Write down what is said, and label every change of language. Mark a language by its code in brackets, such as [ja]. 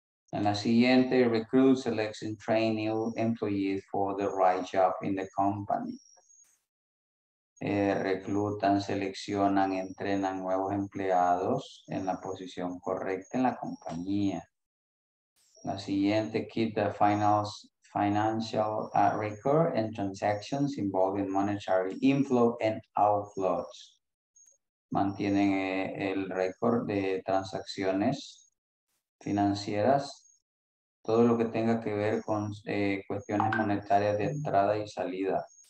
[es] En la siguiente, [en] recruit, select, and train new employees for the right job in the company. [es] Reclutan, seleccionan, entrenan nuevos empleados en la posición correcta en la compañía. La siguiente, [en] keep the financial record and transactions involving monetary inflow and outflows. [es] Mantienen el récord de transacciones financieras, todo lo que tenga que ver con cuestiones monetarias de entrada y salida.